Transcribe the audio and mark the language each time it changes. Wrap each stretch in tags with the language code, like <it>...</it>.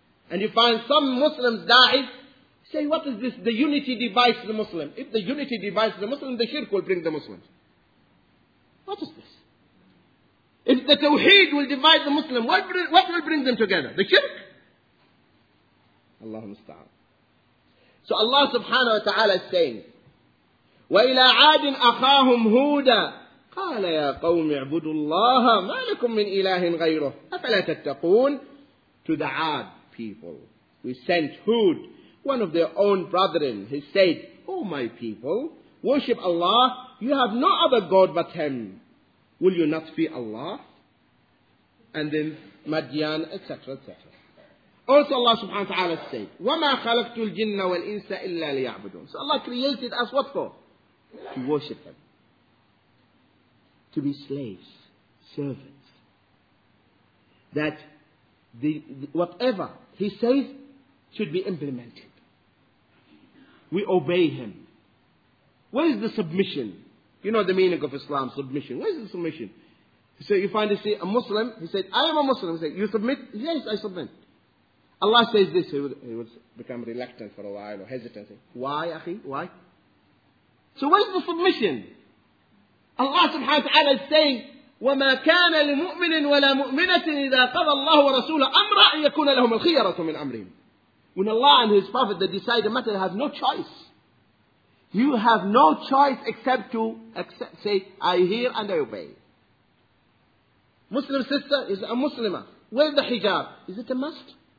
<en>And you find some Muslims die, say, what is this? The unity divides the Muslim. If the unity divides the Muslim, the shirk will bring the Muslims. What is this? If the tawheed will divide the Muslim, what will bring them together? The shirk? Allahumma musta'an. So Allah subhanahu wa ta'ala is saying,</en> <ar>وَإِلَىٰ عَادٍ أَخَاهُمْ هُودًا قَالَ يَا قَوْمِ اعْبُدُوا اللَّهَ مَا لَكُمْ مِنْ إِلَٰهٍ غَيْرُهُ أَفَلَا تَتَّقُونَ.</ar> <en>To the Ad people, we sent Hud, one of their own brethren. He said, oh my people, worship Allah. You have no other God but Him. Will you not fear Allah? And then Madian, etc., etc. Also Allah subhanahu wa ta'ala said,</en> <ar>وَمَا خَلَقْتُ الْجِنَّ وَالْإِنسَ إِلَّا لِيَعْبُدُونَ.</ar> <en>So Allah created us what for? To worship Him. To be slaves, servants. That the whatever He says should be implemented. We obey Him. Where is the submission? You know the meaning of Islam, submission. Where is the submission? So you find, you see, a Muslim, he said, I am a Muslim. He said, you submit? Yes, I submit. Allah says this, he would become reluctant for a while, or hesitant. Why, akhi? Why? So where is the submission? Allah subhanahu wa ta'ala is saying,</en> <ar>وَمَا كَانَ لِمُؤْمِنٍ وَلَا مُؤْمِنَةٍ إِذَا قَضَى اللَّهُ وَرَسُولَهُ أَمْرًا أَنْ يَكُونَ لَهُمُ الْخِيَرَةُ مِنْ أَمْرِهِمْ.</ar> <en>When Allah and His Prophet, they decide a matter, they have no choice. You have no choice except to accept, say, I hear and I obey. Muslim sister is a Muslimah. Wear the hijab. Is it a must?</en>